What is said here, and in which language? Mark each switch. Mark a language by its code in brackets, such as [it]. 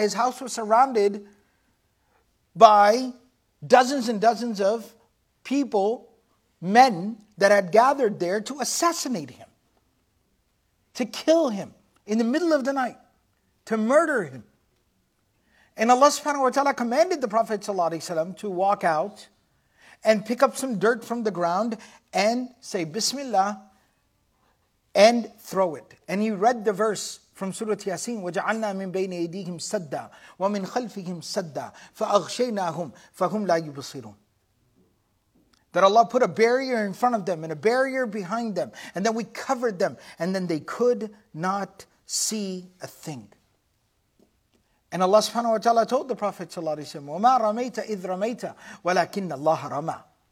[en] His house was surrounded by dozens and dozens of people, men that had gathered there to assassinate him, to kill him in the middle of the night. To murder him. And Allah subhanahu wa ta'ala commanded the Prophet sallallahu alayhi wa sallam to walk out and pick up some dirt from the ground and say, Bismillah, and throw it. [ar] And he read the verse from Surah Yasin, وَجَعَلْنَا مِنْ بَيْنِ أَيْدِيهِمْ سَدَّا وَمِنْ خَلْفِهِمْ سَدَّا فَأَغْشَيْنَاهُمْ فَهُمْ لَا يُبْصِرُونَ. [en] That Allah put a barrier in front of them and a barrier behind them. And then we covered them. And then they could not see a thing. And Allah subhanahu wa ta'ala told the Prophet sallallahu alayhi wa sallam, [ar] وَمَا رَمَيْتَ إِذْ رَمَيْتَ وَلَكِنَّ اللَّهَ رَمَى.